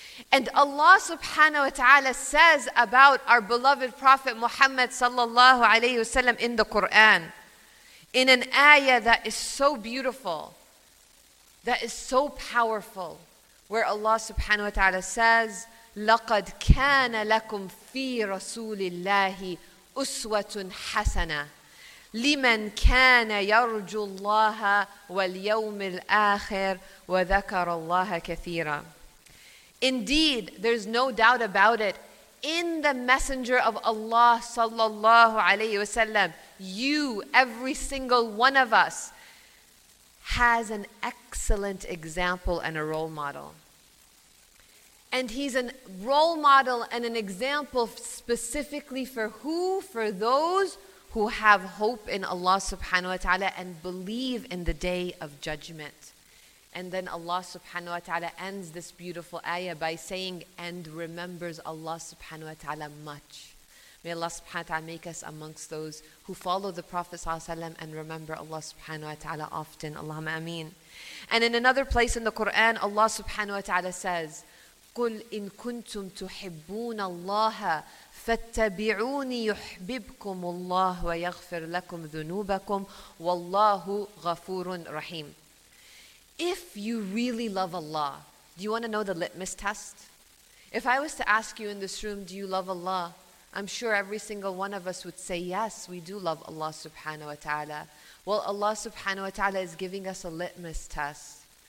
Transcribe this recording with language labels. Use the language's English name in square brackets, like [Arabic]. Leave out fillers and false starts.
[English] And Allah subhanahu wa ta'ala says about our beloved Prophet Muhammad sallallahu alayhi wasallam in the Quran, in an ayah that is so beautiful, that is so powerful, where Allah subhanahu wa ta'ala says, [Arabic] "لَقَدْ كَانَ لَكُمْ فِي رَسُولِ اللَّهِ أُسْوَةٌ حَسَنَةٌ لمن كان يرجو الله واليوم الآخر وذكر الله كثيرا. [English] Indeed, there's no doubt about it. In the Messenger of Allah sallallahu alayhi wa sallam, you, every single one of us, has an excellent example and a role model. And he's a role model and an example specifically for who? For those who have hope in Allah subhanahu wa ta'ala and believe in the day of judgment. And then Allah subhanahu wa ta'ala ends this beautiful ayah by saying, and remembers Allah subhanahu wa ta'ala much. May Allah subhanahu wa ta'ala make us amongst those who follow the Prophet sallallahu alaihi wasallam and remember Allah subhanahu wa ta'ala often. Allahumma ameen. And in another place in the Quran, Allah subhanahu wa ta'ala says, [Arabic] قُلْ إِن كُنْتُمْ تُحِبُّونَ اللَّهَ فَاتَّبِعُونِي يُحْبِبْكُمُ اللَّهُ وَيَغْفِرْ لَكُمْ ذُنُوبَكُمْ وَاللَّهُ غَفُورٌ رَحِيمٌ. [English] If you really love Allah, do you want to know the litmus test? If I was to ask you in this room, do you love Allah? I'm sure every single one of us would say, yes, we do love Allah subhanahu wa ta'ala. Well, Allah subhanahu wa ta'ala is giving us a litmus test.